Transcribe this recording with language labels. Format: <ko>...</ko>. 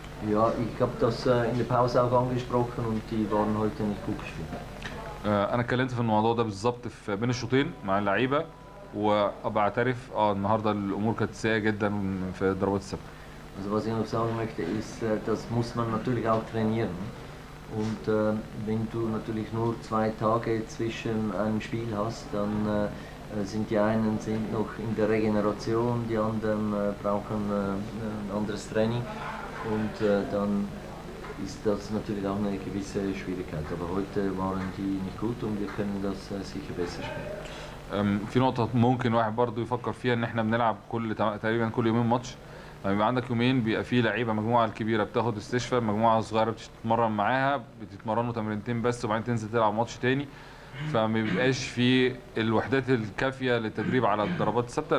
<de>Ja, ich habe das in der Pause auch angesprochen und die waren heute nicht gut gespielt.</de> <ar>انا اتكلمت في الموضوع ده بالظبط في بين الشوطين مع اللعيبه وبعترف النهارده الامور كانت سيئه جدا في ضربات السبت.</ar> <de>Also was ich noch sagen möchte ist, das muss man natürlich auch trainieren. Und wenn du natürlich nur zwei Tage zwischen einem Spiel hast, dann sind die einen sind noch in der Regeneration, die anderen brauchen ein anderes Training. Und dann ist das natürlich auch eine gewisse Schwierigkeit. Aber heute waren die nicht gut und wir können das sicher besser spielen.</de> <ar>في نقطة ممكن واحد برضه يفكر فيها إن إحنا بنلعب كل تقريبا كل يومين ماتش، لما يبقى عندك يومين بيبقى فيه لعيبة مجموعة الكبيرة بتاخد استشفاء، مجموعة صغيرة بتتمرن معاها، بتتمرنوا تمرينتين بس وبعدين تنزل تلعب ماتش تاني، فما بيبقاش فيه الوحدات الكافية للتدريب على الضربات الثابتة.</ar>